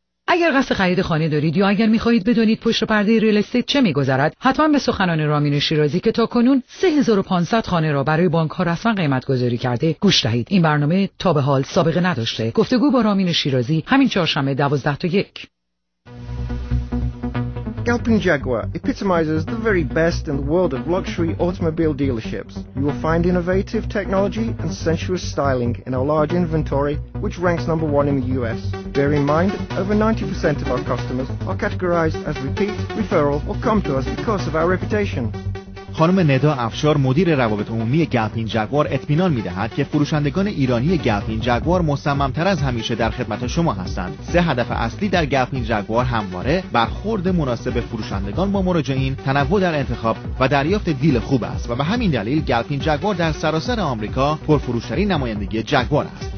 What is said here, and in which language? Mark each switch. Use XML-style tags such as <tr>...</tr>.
<fa>اگر قصد خرید خانه دارید یا اگر می‌خواهید بدونید پشت پرده ریل استیت چه می‌گذرد، حتما به سخنان رامین شیرازی که تاکنون 3500 خانه را برای بانک‌ها رسما قیمت‌گذاری کرده گوش دهید. این برنامه تا به حال سابقه نداشته. گفتگو با رامین شیرازی همین چهارشنبه 12:01.</fa> <en>Galpin Jaguar epitomizes the very best in the world of luxury automobile dealerships. You will find innovative technology and sensuous styling in our large inventory which ranks number 1 in the US. Bear in mind, over 90% of our customers are categorized as repeat, referral, or come to us because of our reputation.</en> <fa>خانم ندا افشار، مدیر روابط عمومی گلپین جگوار، اطمینان می‌دهد که فروشندگان ایرانی گلپین جگوار مصمم‌تر از همیشه در خدمت شما هستند. سه هدف اصلی در گلپین جگوار همواره برخورد مناسب فروشندگان با مراجعین، تنوع در انتخاب و دریافت دیل خوب است و به همین دلیل گلپین جگوار در سراسر آمریکا پرفروش‌ترین نمایندگی جگوار است.</fa>